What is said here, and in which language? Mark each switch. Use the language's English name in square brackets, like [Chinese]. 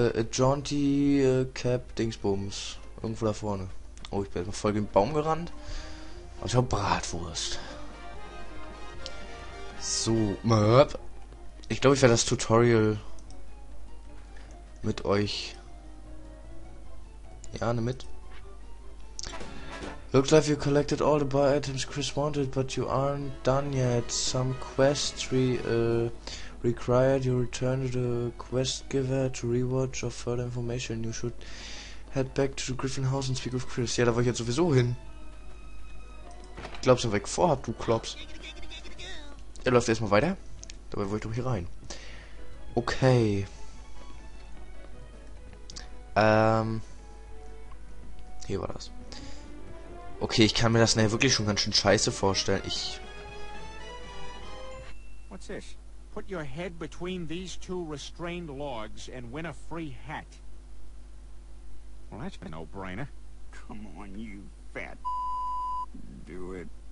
[German] Jaunty Cap Dingsbums. Irgendwo da vorne. Oh, ich bin jetzt voll gegen den Baum gerannt. Aber ich hab Bratwurst. So, Möp. Ich glaube, ich werde das Tutorial mit euch. Ja, nimm mit. [English] Looks like you collected all the buy items Chris wanted, but you aren't done yet. Some quests required you return to the quest giver to rewatch or further information. You should head back to the Griffin House and speak with Chris. [German] Ja, da war ich jetzt sowieso hin. Glaubst du, weg vorhab, du Klops. Er läuft erstmal weiter. Dabei wollte ich doch hier rein. Okay. Hier war das. Okay, ich kann mir das nachher wirklich schon ganz schön scheiße vorstellen. Ich. [English] What's this? Put your head between these two restrained logs and win a free hat. Well, that's a no-brainer. Come on, you fat. Do it.